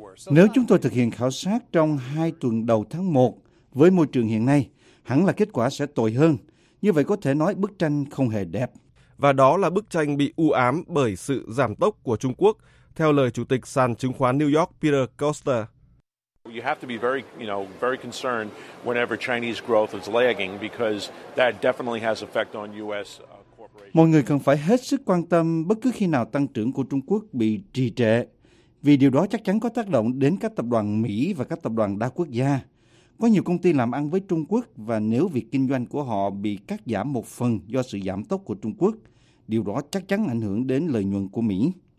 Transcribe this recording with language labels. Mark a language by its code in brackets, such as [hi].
[vi] Nếu chúng tôi thực hiện khảo sát trong 2 tuần đầu tháng 1 với môi trường hiện nay, hẳn là kết quả sẽ tồi hơn. Như vậy có thể nói bức tranh không hề đẹp. Và đó là bức tranh bị u ám bởi sự giảm tốc của Trung Quốc, theo lời Chủ tịch Sàn Chứng khoán New York Peter Koster. [en] You have to be very, you know, very concerned whenever Chinese growth is lagging because that definitely has effect on US corporations. [vi] Mọi người cần phải hết sức quan tâm bất cứ khi nào tăng trưởng của Trung Quốc bị trì trệ, vì điều đó chắc chắn có tác động đến các tập đoàn Mỹ và các tập đoàn đa quốc gia. Có nhiều công ty làm ăn với Trung Quốc và nếu việc kinh doanh của họ bị cắt giảm một phần do sự giảm tốc của Trung Quốc, điều đó chắc chắn ảnh hưởng đến lợi nhuận của Mỹ.